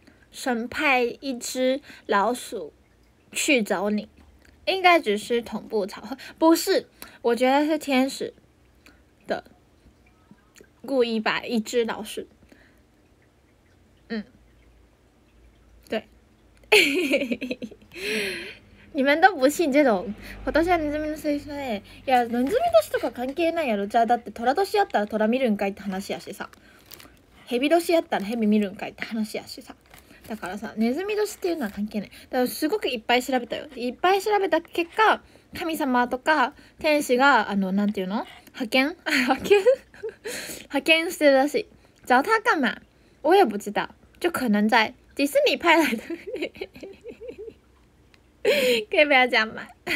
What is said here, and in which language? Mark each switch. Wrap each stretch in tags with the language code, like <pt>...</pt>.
<zh>神派一只老鼠去找你，应该只是同步巧合，不是？我觉得是天使。故意把一只老鼠，对，你们都不信这种。我都是</zh> <ja>ネズミの生存で、いやネズミ年とか関係ないやろ。じゃあだってトラ年やったらトラ見るんかいって話やしさ、ヘビ年やったらヘビ見るんかいって話やしさ。だからさ、ネズミ年っていうのは関係ない。だからすごくいっぱい調べたよ。いっぱい調べた結果、神様とか天使がなんていうの？派遣してるらしい。</ja> <zh>找他干嘛？我也不知道，就可能在迪士尼派来的。可以不要讲嘛。</zh>